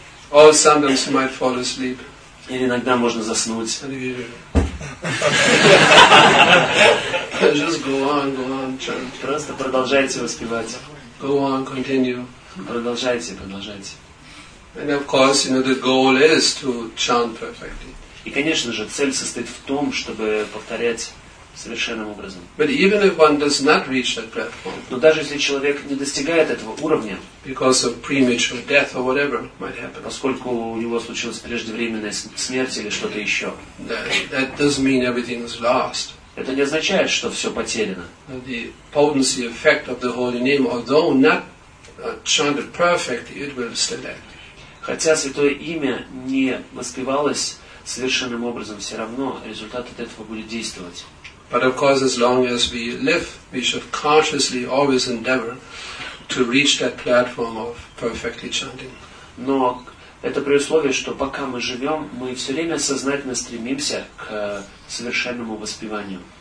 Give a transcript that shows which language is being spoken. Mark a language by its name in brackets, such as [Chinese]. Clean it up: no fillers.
[English] Or sometimes you might fall asleep. [Russian] Или иногда можно заснуть. [English] Just go on, chant. [Russian] Просто продолжайте воспевать. [English] Go on, continue. [Russian] Продолжайте, продолжайте. [English] And of course, you know, the goal is to chant perfectly. [Russian] И, конечно же, цель состоит в том, чтобы повторять совершенным образом. [English] But even if one does not reach that platform, [Russian] но даже если человек не достигает этого уровня, [English] because of premature death or whatever might happen, [Russian] поскольку у него случилась преждевременная смерть или что-то еще, [English] that doesn't mean everything is lost. [Russian] Это не означает, что все потеряно. [English] The potency effect of the holy name, although not chanted perfectly, it will still act. [Russian] Хотя святое имя не воспевалось совершенным образом, все равно результат от этого будет действовать. [English] But of course, as long as we live, we should consciously always endeavor to reach that platform of perfectly chanting. [Russian] Но это при условии, что пока мы живем, мы все время сознательно стремимся к совершенному воспеванию.